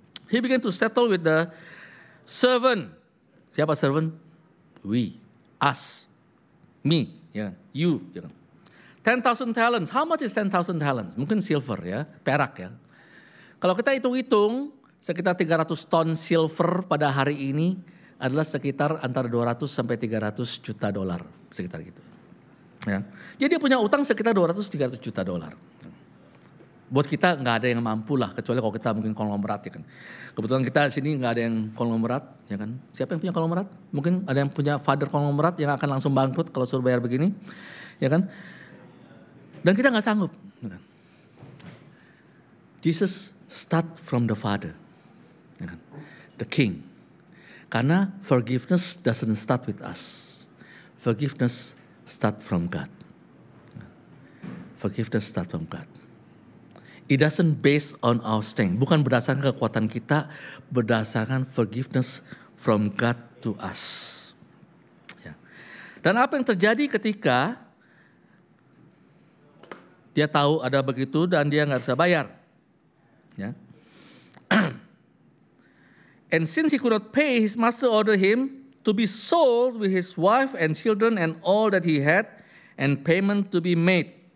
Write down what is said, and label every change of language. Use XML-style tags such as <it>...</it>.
<en>He began to settle with the servant.</en> <id>Siapa</id> <en>servant? We, us, me, yeah. You. Yeah. 10,000 talents, how much is 10,000 talents?</en> <id>Mungkin silver ya, perak ya. Kalau kita hitung-hitung, sekitar 300 ton silver pada hari ini adalah sekitar antara 200 sampai 300 juta dolar. Sekitar gitu. Ya. Jadi dia punya utang sekitar 200-300 juta dolar. Buat kita gak ada yang mampu lah, kecuali kalau kita mungkin konglomerat ya kan. Kebetulan kita sini gak ada yang konglomerat ya kan. Siapa yang punya konglomerat? Mungkin ada yang punya father konglomerat yang akan langsung bangkrut kalau suruh bayar begini. Ya kan. Dan kita gak sanggup.</id> <en>Jesus start from the Father. The King.</en> <id>Karena</id> <en>forgiveness doesn't start with us. Forgiveness start from God. Forgiveness start from God. It doesn't based on our strength.</en> <id>Bukan berdasarkan kekuatan kita. Berdasarkan</id> <en>forgiveness from God to us.</en> <id>Dan apa yang terjadi ketika dia tahu ada begitu dan dia gak bisa bayar. Ya.</id> <en>And since he could not pay, his master ordered him to be sold with his wife and children and all that he had and payment to be made.</en>